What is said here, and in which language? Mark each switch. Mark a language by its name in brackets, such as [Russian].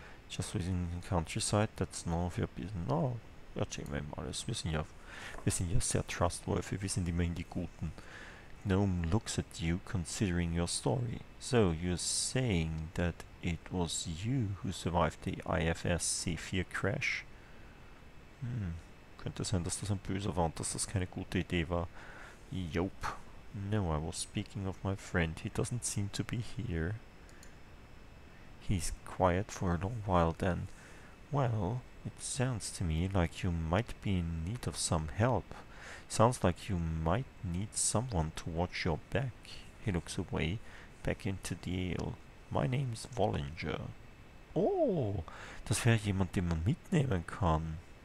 [English] Just within the countryside. That's none of your business. No, [German] erzähl mir alles. Wir sind ja sehr trustworthy. Wir sind immerhin die Guten. [English] Gnome looks at you, considering your story. So, you're saying that it was you who survived the IFS C4 crash? [German] Könnte sein, dass das ein Böser war und dass das keine gute Idee war. [English] Yup. No, I was speaking of my friend. He doesn't seem to be here. He's quiet for a long while then. Well, it sounds to me like you might be in need of some help. Sounds like you might need someone to watch your back. He looks away, back into the ale. My name's Wollinger. [German] Oh, das wäre jemand, den man mitnehmen kann.